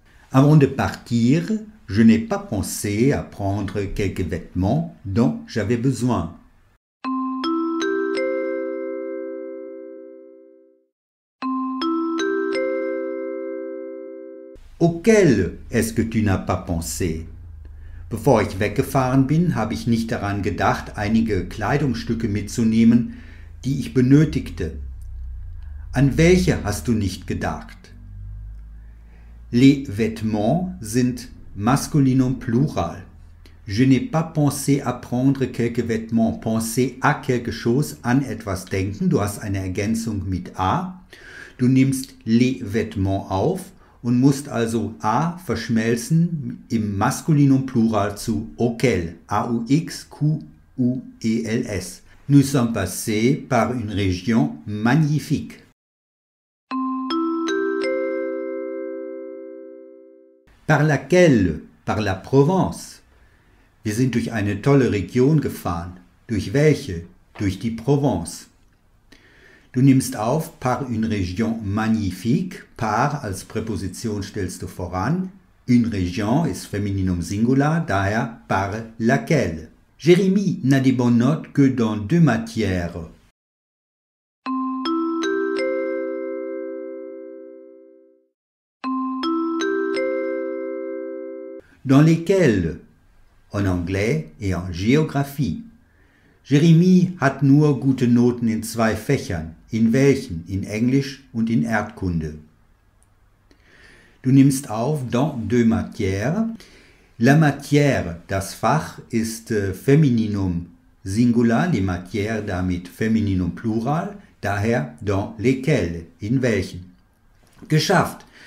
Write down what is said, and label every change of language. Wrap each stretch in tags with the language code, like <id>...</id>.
<fr>Avant de partir, je n'ai pas pensé à prendre quelques vêtements dont j'avais besoin. Auquel est-ce que tu n'as pas pensé?</fr> <de>Bevor ich weggefahren bin, habe ich nicht daran gedacht, einige Kleidungsstücke mitzunehmen, die ich benötigte. An welche hast du nicht gedacht? Les vêtements sind Maskulinum Plural.</de> <fr>Je n'ai pas pensé à prendre quelques vêtements. Penser à quelque chose,</fr> <de>an etwas denken. Du hast eine Ergänzung mit à. Du nimmst les vêtements auf und musst also à verschmelzen im Maskulinum Plural zu auquel. A-U-X-Q-U-E-L-S.</de> <fr>Nous sommes passés par une région magnifique. Par laquelle? Par la Provence.</fr> <de>Wir sind durch eine tolle Region gefahren. Durch welche? Durch die Provence. Du nimmst auf</de> <fr>par une région magnifique.</fr> <de>Par als Präposition stellst du voran. Une région ist Femininum Singular, daher par laquelle.</de> <fr>Jérémy n'a des bonnes notes que dans deux matières. Dans lesquelles? En anglais et en géographie.</fr> <de>Jérémy hat nur gute Noten in zwei Fächern. In welchen? In Englisch und in Erdkunde. Du nimmst auf dans deux matières. La matière, das Fach, ist Femininum Singular, les matières damit Femininum Plural, daher dans lesquelles, in welchen. Geschafft!</de>